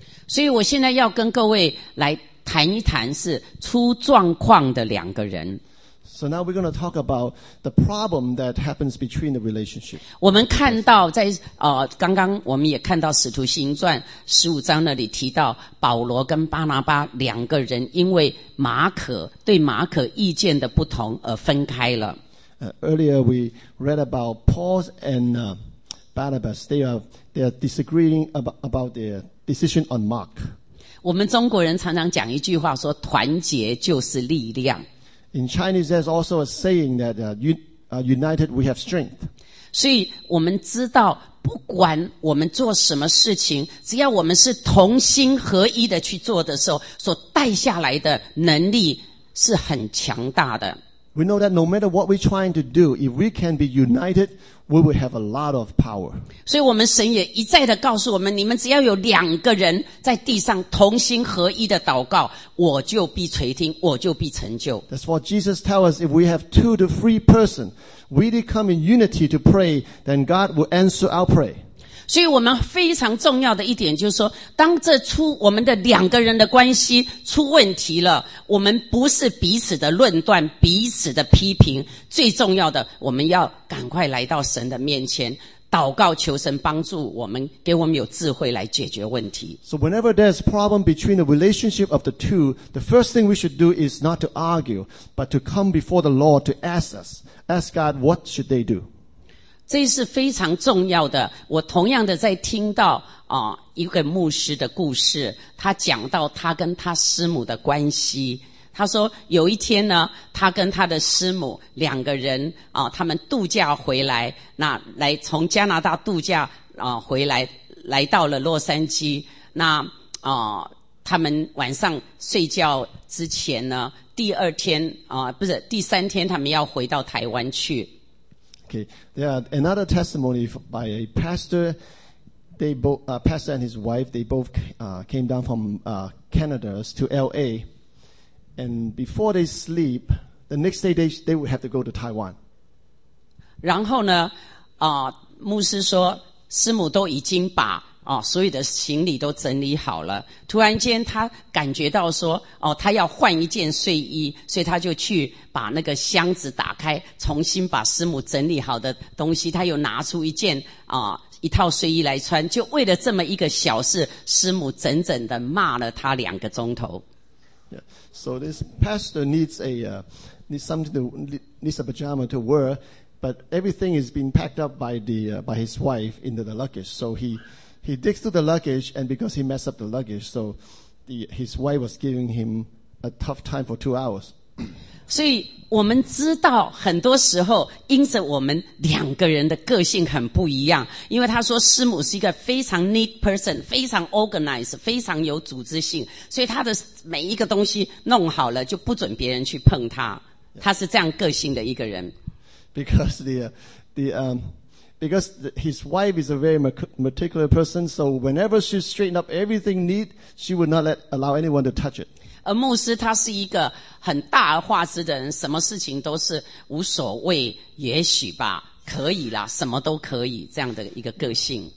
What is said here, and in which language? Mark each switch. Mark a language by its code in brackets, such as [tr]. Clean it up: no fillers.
[zh] 所以我现在要跟各位来谈一谈是出状况的两个人。 [en] So now we're going to talk about the problem that happens between the relationship. [zh] 我们看到在刚刚我们也看到《使徒行传》十五章那里提到保罗跟巴拿巴两个人因为马可对马可意见的不同而分开了。 [en] Earlier we read about Paul and Barnabas. They are disagreeing about their decision on Mark. [zh] 我们中国人常常讲一句话说团结就是力量。 [en] In Chinese, there's also a saying that united we have strength. [zh] 所以我们知道不管我们做什么事情，只要我们是同心合一的去做的时候，所带下来的能力是很强大的。 [en] We know that no matter what we're trying to do, if we can be united, we will have a lot of power. [zh] 所以我们神也一再的告诉我们，你们只要有两个人在地上同心合一的祷告，我就必垂听，我就必成就。 [en] That's what Jesus tells us, if we have two to three persons, we come in unity to pray, then God will answer our prayer. [zh] 所以我们非常重要的一点就是说，当这出我们的两个人的关系出问题了，我们不是彼此的论断、彼此的批评，最重要的，我们要赶快来到神的面前祷告，求神帮助我们，给我们有智慧来解决问题。 [en] So whenever there's problem between the relationship of the two, the first thing we should do is not to argue, but to come before the Lord to ask God what should they do. [zh] 这是非常重要的。我同样的在听到一个牧师的故事，他讲到他跟他师母的关系。他说有一天呢，他跟他的师母两个人他们度假回来，那来从加拿大度假回来，来到了洛杉矶。那他们晚上睡觉之前呢，第三天他们要回到台湾去。 [en] Okay, there are another testimony by a pastor. They both, pastor and his wife, they both came down from Canada to LA. And before they sleep, the next day they would have to go to Taiwan. [zh] 然后呢，牧师说，师母都已经把所有的行李都整理好了。突然间，他感觉到说，他要换一件睡衣，所以他就去把那个箱子打开，重新把师母整理好的东西，他又拿出一件一套睡衣来穿。就为了这么一个小事，师母整整的骂了他两个钟头。 [en] Yeah. So this pastor needs a pajama to wear, but everything is being packed up by his wife into the luggage. So he digs through the luggage, and because he messed up the luggage, so his wife was giving him a tough time for 2 hours. [zh] 所以我们知道，很多时候因着我们两个人的个性很不一样，因为他说师母是一个非常 [en] neat person， [zh] 非常 organized， 非常有组织性，所以他的每一个东西弄好了就不准别人去碰他。他是这样个性的一个人。 [en] Because because his wife is a very meticulous person, so whenever she straightened up everything neat, she would not allow anyone to touch it. [zh] 而牧师他是一个很大而化之的人，什么事情都是无所谓，也许吧，可以啦，什么都可以，这样的一个个性。